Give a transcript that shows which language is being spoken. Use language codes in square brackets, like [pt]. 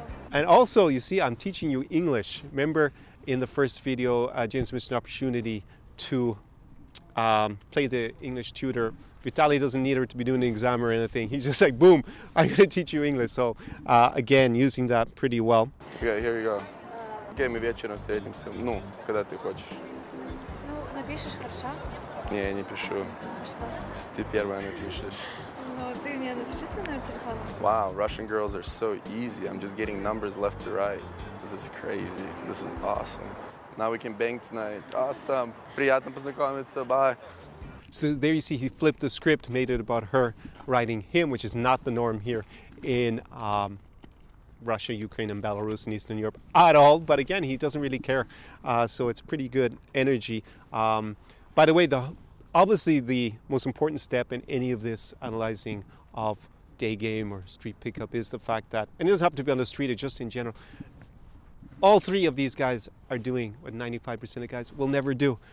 [en] And also, you see, I'm teaching you English. Remember in the first video, James missed an opportunity to play the English tutor. Vitaly doesn't need her to be doing an exam or anything. He's just like, boom, I'm gonna teach you English. So again, using that pretty well. Okay, here you go. [ru] Okay, мы вечером встретимся. Ну, когда ты хочешь. Ну, напишешь хорошо? Не, я не пишу. Что? Ты первая напишешь. [en] Wow, Russian girls are so easy. I'm just getting numbers left to right. This is crazy. This is awesome. Now we can bang tonight. Awesome. [ru] Приятно познакомиться. [en] Bye. So there you see, he flipped the script, made it about her writing him, which is not the norm here in Russia, Ukraine, and Belarus and Eastern Europe at all. But again, he doesn't really care. So it's pretty good energy. By the way, obviously, the most important step in any of this analyzing of day game or street pickup is the fact that, and it doesn't have to be on the street, it's just in general, all three of these guys are doing what 95% of guys will never do.